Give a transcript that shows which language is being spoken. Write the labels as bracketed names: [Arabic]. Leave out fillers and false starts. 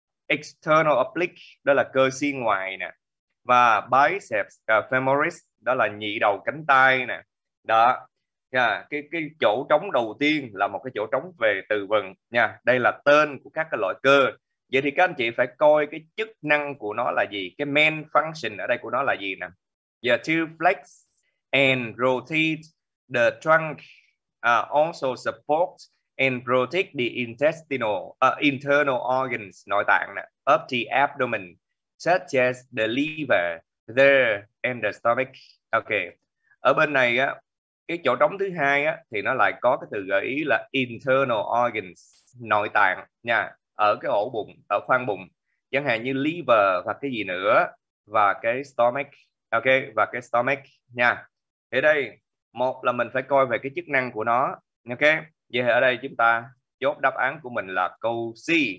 [Vietnamese] External oblique đó là cơ xiên ngoài nè. Và biceps femoris đó là nhị đầu cánh tay nè. Đó. Cái chỗ trống đầu tiên là một cái chỗ trống về từ vựng nha. Đây là tên của các cái loại cơ. Vậy thì các anh chị phải coi cái chức năng của nó là gì, cái main function ở đây của nó là gì nè. [English] To flex and rotate the trunk, also support and protect the internal organs, [Vietnamese] nội tạng nè, [English] of the abdomen, such as the liver, there and the stomach. Ok. [Vietnamese] Ở bên này á, cái chỗ trống thứ hai á thì nó lại có cái từ gợi ý là internal organs, nội tạng nha, ở cái ổ bụng, ở khoang bụng, chẳng hạn như liver và cái gì nữa, và cái stomach. Ok, và cái stomach nha. Ở đây một là mình phải coi về cái chức năng của nó. Ok, vậy ở đây chúng ta chốt đáp án của mình là câu C.